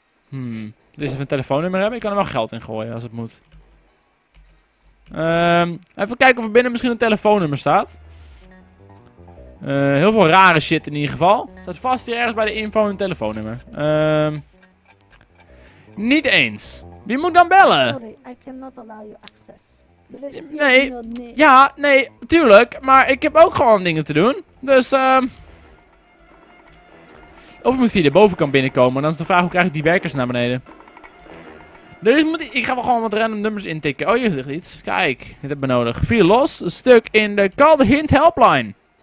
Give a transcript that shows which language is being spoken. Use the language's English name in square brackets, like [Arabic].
[Dutch] Dit is even een telefoonnummer hebben. Ik kan er wel geld in gooien als het moet. Even kijken of er binnen misschien een telefoonnummer staat. Heel veel rare shit in ieder geval. Staat vast hier ergens bij de info een telefoonnummer. Niet eens. Wie moet dan bellen? [English] Sorry, I cannot allow you access. [Dutch] Nee, ja, nee, tuurlijk. Maar ik heb ook gewoon dingen te doen. Dus, of ik moet via de bovenkant binnenkomen. Dan is de vraag, hoe krijg ik die werkers naar beneden? Dus ik ga wel gewoon wat random nummers intikken. Oh, hier ligt iets. Kijk, dit hebben we nodig. Vier los, een stuk in de Call the Hint helpline.